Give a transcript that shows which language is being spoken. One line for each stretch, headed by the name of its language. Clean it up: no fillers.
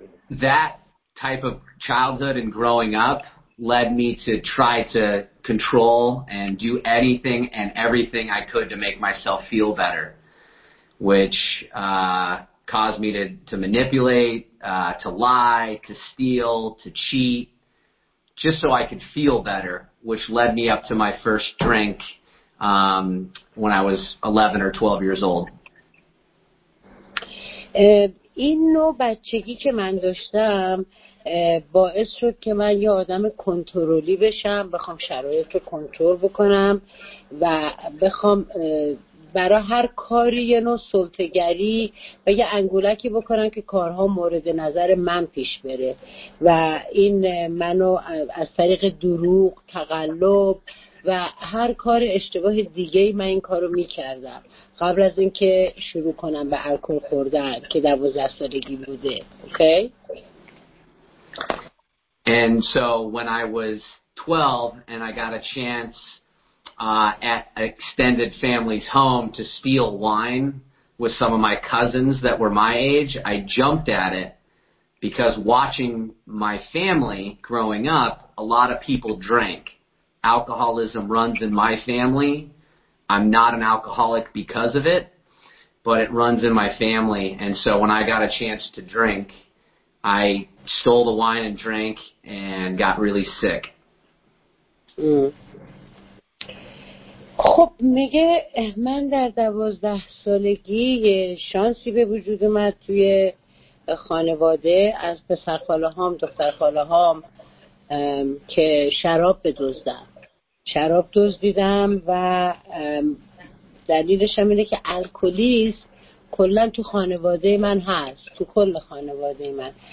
English: That type of childhood and growing up led me to try to control and do anything and everything I could to make myself feel better, which caused me to manipulate, to lie, to steal, to cheat, just so I could feel better, which led me up to my first drink when I was 11 or 12 years old.
Persian: این نوع بچگی که من داشتم باعث شد که من یه آدم کنترلی بشم، بخوام شرایط رو کنترل بکنم و بخوام برای هر کاری یه نوع سلطه‌گری و یه انگولکی بکنن که کارها مورد نظر من پیش بره و این منو از طریق دروغ، تقلب و هر کار اشتباه دیگه‌ای من این کارو می‌کردم قبل از اینکه شروع کنم به الکل خوردن که 12 سالگی بوده. اوکی؟
English: And so when I was 12 and I got a chance at extended family's home to steal wine with some of my cousins that were my age, I jumped at it because watching my family growing up, a lot of people drank. Alcoholism runs in my family. I'm not an alcoholic because of it, but it runs in my family. And so when I got a chance to drink, I stole the wine and drank and got really sick.
Persian: خب میگه من در 12 سالگی شانسی به وجود اومد توی خانواده از پسرخاله‌هام دخترخاله‌هام که شراب بدزدم. شراب دزدیدم و دلیلش هم اینه که الکلیست کلن تو خانواده من هست، تو کل خانواده من.